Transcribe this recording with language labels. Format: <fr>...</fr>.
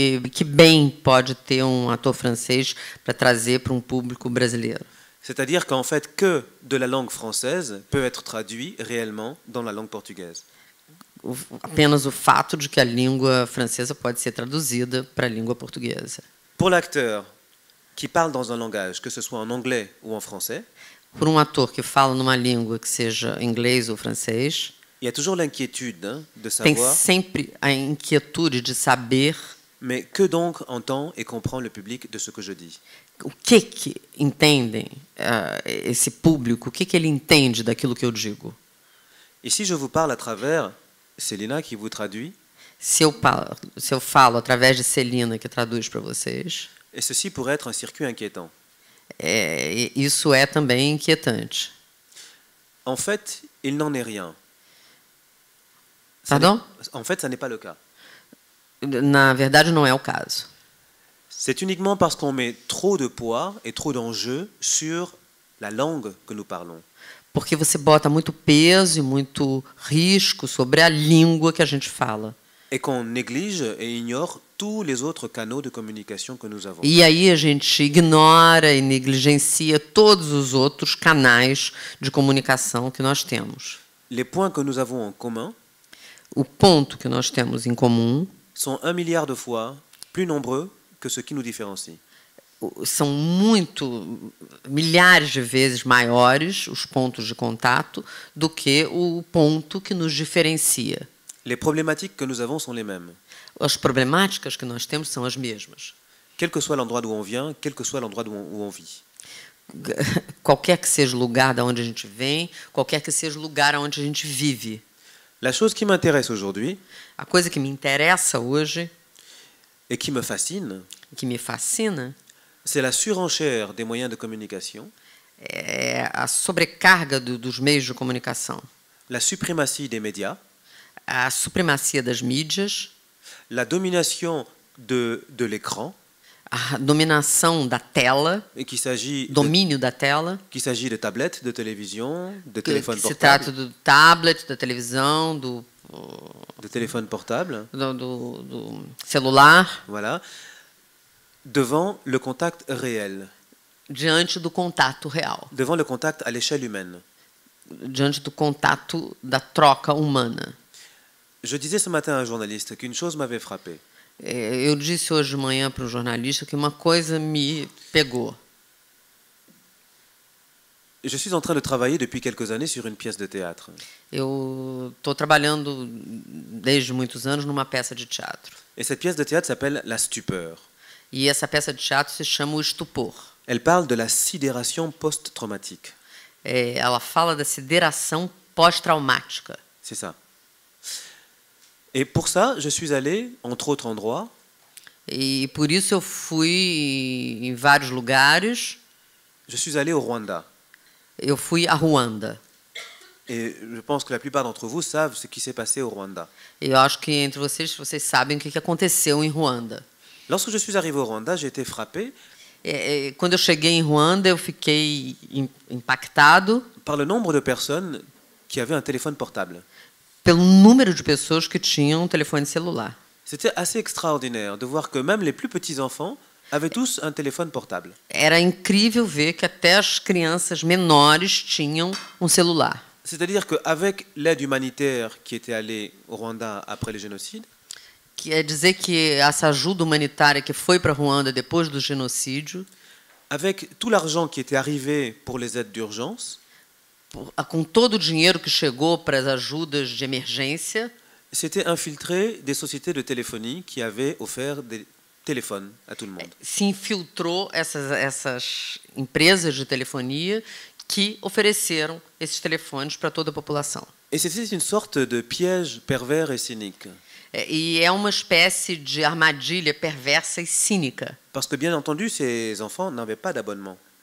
<pt>Que bem pode ter um ator francês para trazer para um público brasileiro?</pt> <fr>C'est-à-dire qu'en fait, que de la langue française peut être traduit réellement dans la langue portugaise?</fr> <pt>Apenas o fato de que a língua francesa pode ser traduzida para a língua portuguesa.</pt> <fr>Pour l'acteur qui parle dans un langage, que ce soit en anglais ou en français, pour un acteur qui parle</fr> <pt>numa língua que seja inglês ou francês,</pt> <fr>il y a toujours l'inquiétude de savoir.</fr> <pt>Tem sempre a inquietude de saber.</pt> <fr>Mais que donc entend et comprend le public de ce que je dis?</fr> <pt>O que entendem esse público? O que ele entende daquilo que eu digo?</pt> <fr>Et si je vous parle à travers Celina qui vous traduit?</fr> <pt>Se eu falo através de Celina, que traduz para vocês,</pt> <fr>et ceci pourrait être un circuit inquiétant.</fr> <pt>Isso é também inquietante.</pt> <fr>En fait, il n'en est rien. Pardon? En fait, ça n'est pas le cas.</fr> <pt>Na verdade, não é o caso.</pt> <fr>C'est uniquement parce qu'on met trop de poids et trop d'enjeux sur la langue que nous parlons.</fr> <pt>Porque você bota muito peso e muito risco sobre a língua que a gente fala.</pt> <fr>Et qu'on néglige et ignore tous les autres canaux de communication que nous avons.</fr> <pt>E aí a gente ignora e negligencia todos os outros canais de comunicação que nós temos.</pt> <fr>Les points que nous avons en commun,</fr> <pt>o ponto que nós temos em comum,</pt> <fr>sont un milliard de fois plus nombreux que ce qui nous différencie.</fr> <pt>São muito milhares de vezes maiores os pontos de contato do que o ponto que nos diferencia.</pt> <fr>Les problématiques que nous avons sont les mêmes.</fr> <pt>As problemáticas que nós temos são as mesmas.</pt> <fr>Quel que soit l'endroit d'où on vient, quel que soit l'endroit où on vit.</fr> <pt>Qualquer que seja o lugar da onde a gente vem, qualquer que seja o lugar onde a gente vive.</pt> <fr>La chose qui m'intéresse aujourd'hui,</fr> <pt>a coisa que me interessa hoje,</pt> <fr>et qui me fascine,</fr> <pt>que me fascina,</pt> <fr>c'est la surenchère des moyens de communication.</fr> <pt>É a sobrecarga dos meios de comunicação.</pt> <fr>La suprématie des médias.</fr> <pt>A supremacia das mídias.</pt> <fr>La domination de l'écran.</fr> <pt>A dominação da tela.</pt> <fr>Et qu'il s'agit</fr> <pt>domínio da tela.</pt> <fr>Qu'il s'agit de tablette, de télévision, de téléphone portable.</fr> <pt>Se trata do tablet, da televisão, do</pt> <fr>de téléphone portable.</fr> <pt>Do celular.</pt> <fr>Voilà. Devant le contact réel.</fr> <pt>Diante do contato real.</pt> <fr>Devant le contact à l'échelle humaine.</fr> <pt>Diante do contato da troca humana.</pt> <fr>Je disais ce matin à un journaliste qu'une chose m'avait frappé.</fr> <pt>Eu disse hoje de manhã para um jornalista que uma coisa me pegou.</pt> <fr>Je suis en train de travailler depuis quelques années sur une pièce de théâtre.</fr> <pt>Eu estou trabalhando desde muitos anos numa peça de teatro.</pt> <fr>Et cette pièce de théâtre s'appelle La Stupeur.</fr> <pt>E essa peça de teatro se chama O Estupor.</pt> <fr>Elle parle de la sidération post-traumatique.</fr> <pt>Ela fala da sideração pós-traumática.</pt> <fr>C'est ça. Et pour ça, je suis allé entre autres endroits.</fr> <pt>Et por isso eu fui em vários lugares.</pt> <fr>Je suis allé au Rwanda.</fr> <pt>Eu fui à Ruanda.</pt> <fr>Et je pense que la plupart d'entre vous savent ce qui s'est passé au Rwanda.</fr> <pt>Eu acho que entre vocês, vocês sabem o que aconteceu em Ruanda.</pt> <fr>Lorsque je suis arrivé au Rwanda, j'ai été frappé.</fr> <pt>Quando eu cheguei em Ruanda, eu fiquei impactado.</pt> <fr>Par le nombre de personnes qui avaient un téléphone portable.</fr> <pt>Pelo número de pessoas que tinham um telefone celular.</pt> <fr>C'était assez extraordinaire de voir que même les plus petits enfants avaient tous un téléphone portable.</fr> <pt>Era incrível ver que até as crianças menores tinham um celular.</pt> <fr>C'est-à-dire que avec l'aide humanitaire qui était allée au Rwanda après le génocide.</fr> <pt>Quer dizer que essa ajuda humanitária que foi para Ruanda depois do genocídio.</pt> <fr>Avec tout l'argent qui était arrivé pour les aides d'urgence.</fr> <pt>Com todo o dinheiro que chegou para as ajudas de emergência.</pt> <fr>C'était infiltré des sociétés de téléphonie qui avaient offert des téléphones à tout le monde.</fr> <pt>Se infiltrou essas empresas de telefonia que ofereceram esses telefones para toda a população.</pt> <fr>Et c'est une sorte de piège pervers et cynique.</fr> <pt>E é uma espécie de armadilha perversa e cínica.</pt> <fr>Parce que bien entendu, ces enfants n'avaient pas d'abonnement.</fr>